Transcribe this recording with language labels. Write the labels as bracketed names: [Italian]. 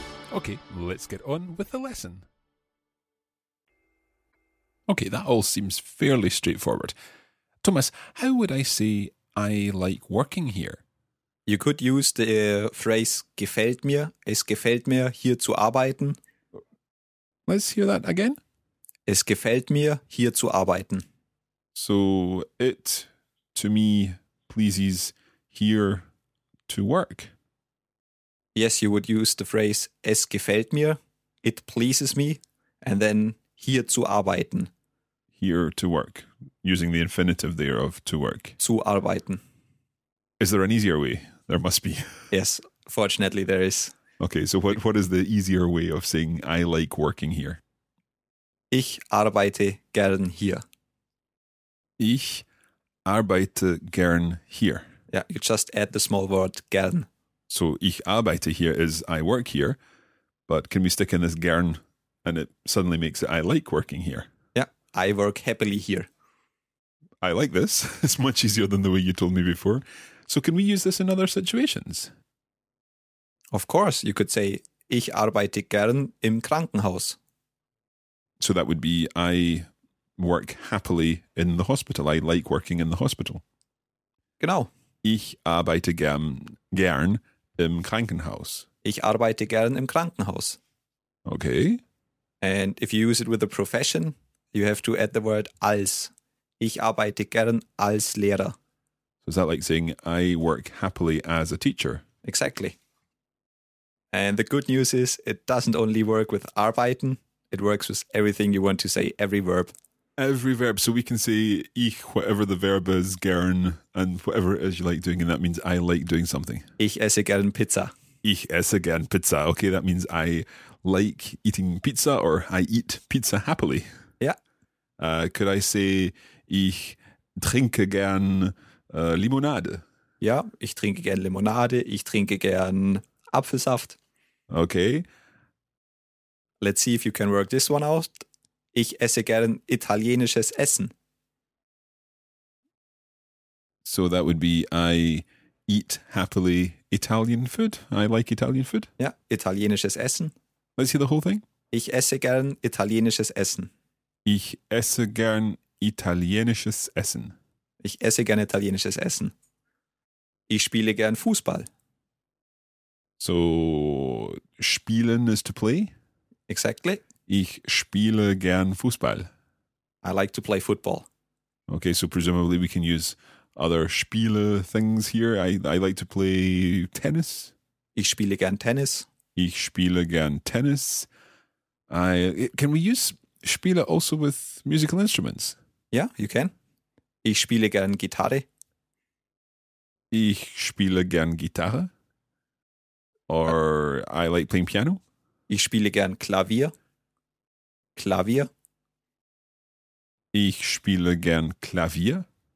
[English] Okay, let's get on with the lesson. Okay, that all seems fairly straightforward. Thomas, how would I say I like working here? You could use the phrase [German] gefällt mir, es gefällt mir hier zu arbeiten. [English] Let's hear that again. [German] Es gefällt mir hier zu arbeiten. [English] So it, to me, pleases here to work. Yes, you would use the phrase [German] es gefällt mir, [English] it pleases me, and then [German] hier zu arbeiten. [English] Here to work, using the infinitive there of to work. [German] Zu arbeiten. [English] Is there an easier way? There must be. Yes, fortunately there is. Okay, so what is the easier way of saying I like working here? [German] Ich arbeite gern hier. Ich arbeite gern hier. [English] Yeah, you just add the small word gern. So [German] ich arbeite hier [English] is I work here, but can we stick in this gern and it suddenly makes it I like working here? I work happily here. I like this. It's much easier than the way you told me before. So can we use this in other situations? Of course. You could say, [German] ich arbeite gern im Krankenhaus. [English] So that would be, I work happily in the hospital. I like working in the hospital. [German] Genau. Ich arbeite gern im Krankenhaus. Ich arbeite gern im Krankenhaus. [English] Okay. And if you use it with a profession, you have to add the word als. [German] Ich arbeite gern als Lehrer. [English] So is that like saying, I work happily as a teacher? Exactly. And the good news is, it doesn't only work with arbeiten, it works with everything you want to say, every verb. Every verb. So we can say, ich, whatever the verb is, gern, and whatever it is you like doing, and that means I like doing something. [German] Ich esse gern Pizza. Ich esse gern Pizza. [English] Okay, that means I like eating pizza, or I eat pizza happily. Yeah. Could I say, [German] ich trinke gern Limonade? Ja, ich trinke gern Limonade, ich trinke gern Apfelsaft. [English] Okay. Let's see if you can work this one out. [German] Ich esse gern italienisches Essen. [English] So that would be, I eat happily Italian food. I like Italian food. [German] Ja, italienisches Essen. [English] Let's hear the whole thing. [German] Ich esse gern italienisches Essen. Ich esse gern italienisches Essen. Ich esse gern italienisches Essen. Ich spiele gern Fußball. [English] So, spielen is to play? Exactly. [German] Ich spiele gern Fußball. [English] I like to play football. Okay, so presumably we can use other Spiele things here. I like to play tennis. [German] Ich spiele gern Tennis. Ich spiele gern Tennis. [English] Can we use Spiele also with musical instruments? Yeah, you can. [German] Ich spiele gern Gitarre. Ich spiele gern Gitarre. [English] Or I like playing piano. [German] Ich spiele gern Klavier. Klavier. Ich spiele gern Klavier.